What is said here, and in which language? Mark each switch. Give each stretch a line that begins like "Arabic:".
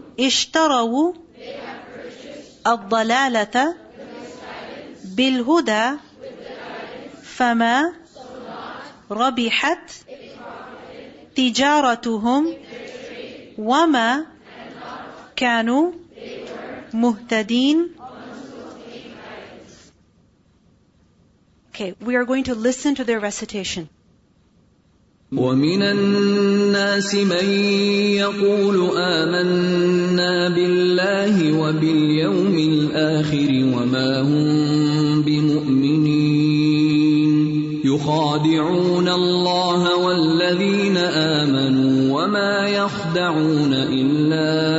Arabic: اشتروا الضلالة بالهدى فما ربحت تجارتهم وما كانوا مهتدين.
English: Okay, we are going to listen to their recitation.
Arabic: ومن الناس من يقول آمنا بالله وباليوم الآخر وما هم بمؤمنين يخادعون الله والذين آمنوا وما يخدعون إلا